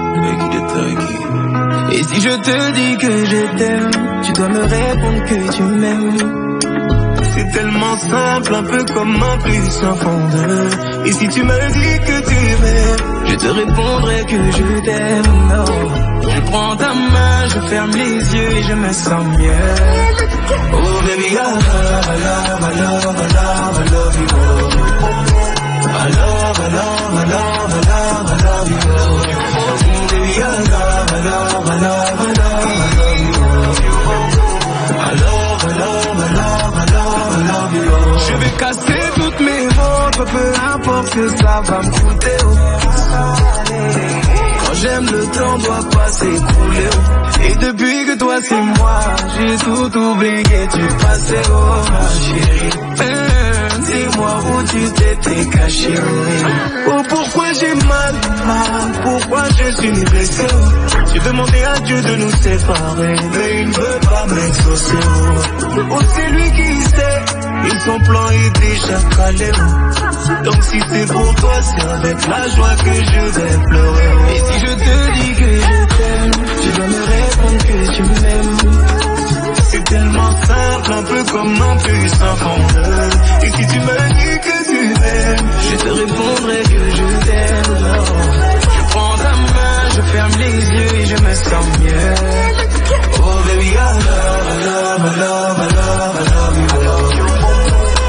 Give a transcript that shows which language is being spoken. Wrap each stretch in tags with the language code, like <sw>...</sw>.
<fr>je te dis que je t'aime, tu dois me répondre que tu m'aimes. C'est tellement simple, un peu comme un puits sans fond de. Et si tu me dis que tu m'aimes, je te répondrai que je t'aime. Oh. Je prends ta main, je ferme les yeux et je me sens mieux.</fr> <en>Oh baby, I love, I love, I love, I love, I love, I love you. I love, I love, I love, I love, I love you. Baby, I love, I love, I love, I love, I love you. I love, I love, I love, I love, I love you.</en> <fr>Je vais casser toutes mes robes, peu importe que ça va me coûter. Quand j'aime, le temps doit pas s'écouler. Et depuis que toi c'est moi, j'ai tout oublié du passé. Oh ma chérie, dis-moi où tu t'étais caché. Oh, pourquoi j'ai mal, mal, pourquoi je suis blessé. J'ai demandé à Dieu de nous séparer, mais il ne veut pas m'exaucer. Oh, c'est lui qui sait, et son plan est déjà calé. Donc si c'est pour toi, c'est avec la joie que je vais pleurer. Et si je te dis que je t'aime, tu vas me répondre que tu m'aimes. C'est tellement simple, un peu comme un puissant fondeur. Et si tu me dis que tu m'aimes, je te répondrai que je t'aime. Oh. Je prends ta main, je ferme les yeux et je me sens mieux.</fr> <en>Oh baby, I love, I love, I love, I love, I love you.</en>